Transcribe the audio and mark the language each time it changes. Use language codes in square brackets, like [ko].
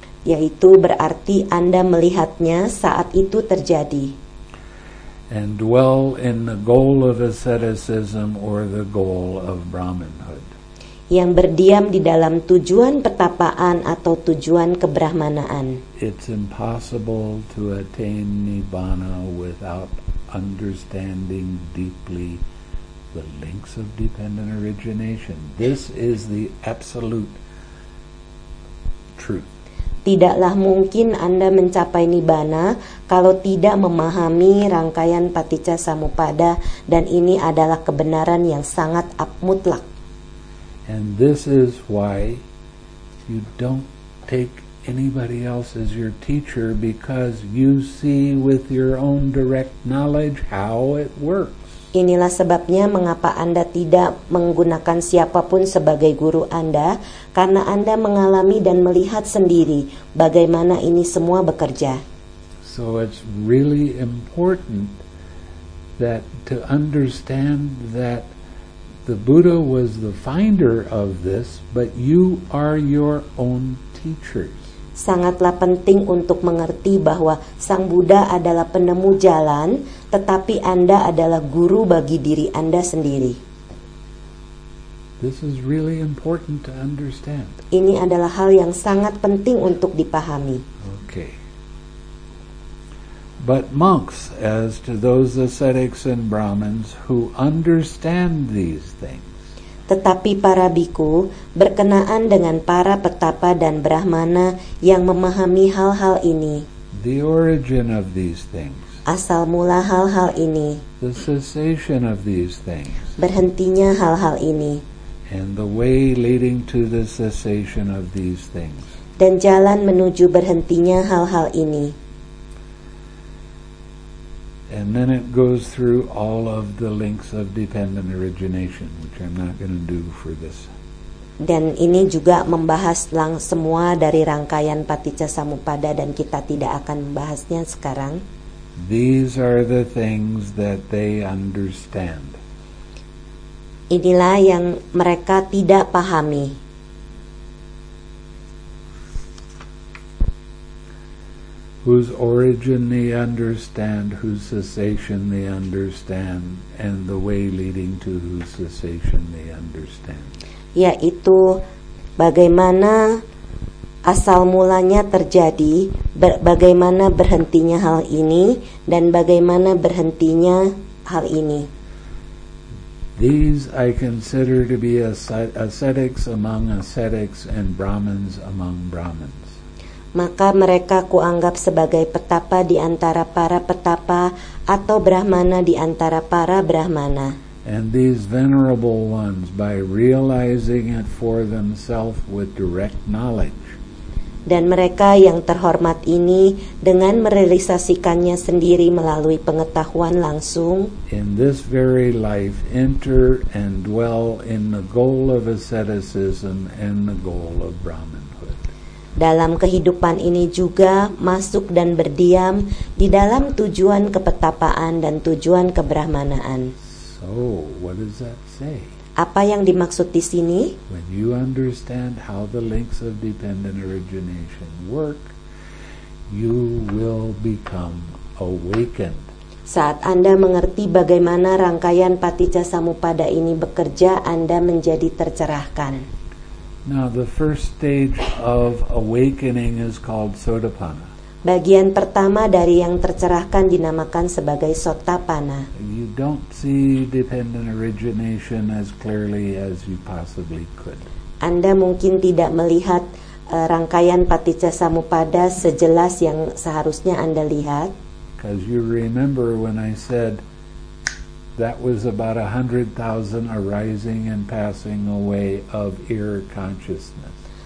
[id] Yaitu berarti Anda melihatnya saat itu terjadi. [en] And dwell in the goal of asceticism or the goal of Brahmanhood. [id] Yang berdiam di dalam tujuan petapaan atau tujuan kebrahmanaan. [en] It's impossible to attain Nibbana without understanding deeply the links of dependent origination. This is the absolute truth. [id] Tidaklah mungkin Anda mencapai Nibbana kalau tidak memahami rangkaian paticca samuppada, dan ini adalah kebenaran yang sangat mutlak. [en] And this is why you don't take anybody else as your teacher, because you see with your own direct knowledge how it works. [id] Inilah sebabnya mengapa Anda tidak menggunakan siapapun sebagai guru Anda, karena Anda mengalami dan melihat sendiri bagaimana ini semua bekerja. [en] So it's really important that to understand that the Buddha was the finder of this, but you are your own teachers. [id] Sangatlah penting untuk mengerti bahwa Sang Buddha adalah penemu jalan, tetapi Anda adalah guru bagi diri Anda sendiri. [en] This is really important to understand. [id] Ini adalah hal yang sangat penting untuk dipahami. [en] Okay. But monks, as to those ascetics and Brahmins who understand these things. [id] Tetapi para bhikkhu, berkenaan dengan para petapa dan brahmana yang memahami hal-hal ini. [en] The origin of these things. [id] Asal mula hal-hal ini. [en] The cessation of these things. [id] Berhentinya hal-hal ini. [en] And the way leading to the cessation of these things. [id] dan jalan menuju berhentinya hal-hal ini. [en] And then it goes through all of the links of dependent origination, which I'm not going to do for this. [id] Dan ini juga membahas semua dari rangkaian paticca samuppada, dan kita tidak akan membahasnya sekarang. [en] These are the things that they understand. [id] Inilah yang mereka tidak pahami. [en] Whose origin they understand, whose cessation they understand, and the way leading to whose cessation they understand. [id] Yaitu bagaimana asal mulanya terjadi, bagaimana berhentinya hal ini, dan bagaimana berhentinya hal ini. [en] These I consider to be ascetics among ascetics and Brahmins among Brahmins. [id] Maka mereka kuanggap sebagai petapa di antara para petapa atau brahmana di antara para brahmana. [en] And these venerable ones, by realizing it for themselves with direct knowledge. [id] Dan mereka yang terhormat ini dengan merealisasikannya sendiri melalui pengetahuan langsung. [en] In this very life, enter and dwell in the goal of asceticism and the goal of Brahman. [id] Dalam kehidupan ini juga masuk dan berdiam di dalam tujuan kepetapaan dan tujuan kebrahmanaan. [en] So, what does that say? [id] Apa yang dimaksud di sini? [en] When you understand how the links of dependent origination work, you will become awakened. [id] Saat Anda mengerti bagaimana rangkaian paticca samuppada ini bekerja, Anda menjadi tercerahkan. [en] Now the first stage of awakening is called sotapanna. [id] Bagian pertama dari yang tercerahkan dinamakan sebagai sotapanna. [en] You don't see dependent origination as clearly as you possibly could. [id] Anda mungkin tidak melihat rangkaian paticca samuppada sejelas yang seharusnya Anda lihat. [en] Because you remember when I said that was about 100,000 arising and passing away of ear consciousness.